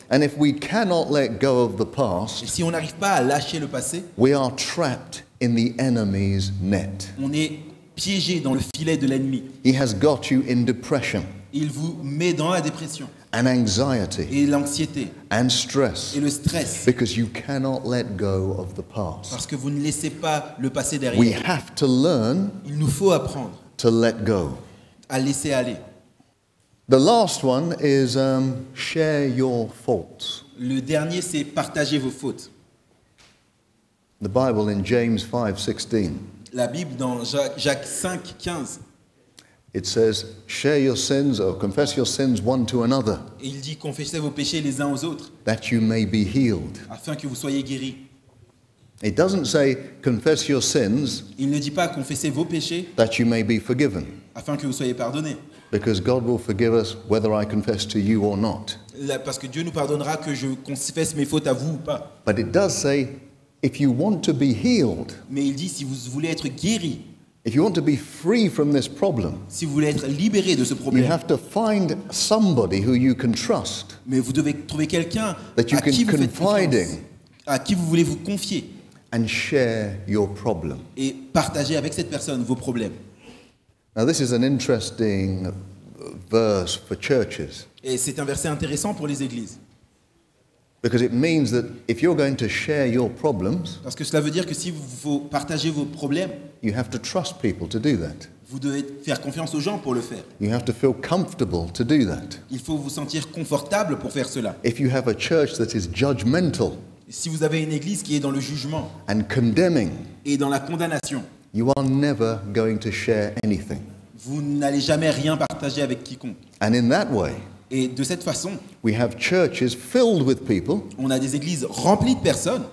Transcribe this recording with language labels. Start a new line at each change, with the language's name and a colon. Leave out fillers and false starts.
English: And if we cannot let go of the past,
French: et si on n'arrive pas à lâcher le passé,
English: we are trapped in the enemy's net.
French: On est piégé dans le filet de l'ennemi.
English: He has got you in depression.
French: Il vous met dans la dépression.
English: And anxiety.
French: Et l'anxiété.
English: And stress.
French: Et le stress.
English: Because you cannot let go of the past.
French: Parce que vous ne laissez pas le passé derrière.
English: We have to learn.
French: Il nous faut apprendre.
English: To let go.
French: À laisser aller.
English: The last one is share your faults.
French: Le dernier, c'est partager vos fautes.
English: The Bible in James 5:16.
French: La Bible dans Jacques 5:15.
English: It says, share your sins or confess your sins one to another.
French: Et il dit, confessez vos péchés les uns aux autres.
English: That you may be healed.
French: Afin que vous soyez guéris.
English: It doesn't say, confess your sins.
French: Il ne dit pas, confessez vos péchés.
English: That you may be forgiven.
French: Afin que vous soyez pardonnés.
English: Because God will forgive us whether I confess to you or not.
French: Parce que Dieu nous pardonnera que je confesse mes fautes à vous ou pas.
English: But it does say, if you want to be healed.
French: Mais il dit, si vous voulez être guéri.
English: If you want to be free from this problem,
French: si vous voulez être libéré de ce problème,
English: you have to find somebody who you can trust.
French: Mais vous devez trouver quelqu'un
English: that you
French: à
English: can
French: qui vous
English: confiding,
French: à qui vous voulez vous confier,
English: and share your problem.
French: Et partager avec cette personne vos problèmes.
English: Now this is an interesting verse for churches.
French: Et c'est un verset intéressant pour les églises.
English: Because it means that if you're going to share your problems,
French: parce que cela veut dire que si vous partagez vos problèmes,
English: you have to trust people to do that.
French: Vous devez faire confiance aux gens pour le faire.
English: You have to feel comfortable to do that.
French: Il faut vous sentir confortable pour faire cela.
English: If you have a church that is judgmental,
French: si vous avez une église qui est dans le jugement,
English: and condemning,
French: et dans la condamnation,
English: you are never going to share anything.
French: Vous n'allez jamais rien partager avec quiconque.
English: And in that way,
French: et de cette façon,
English: we have churches filled with people,
French: on a des églises remplies de personnes,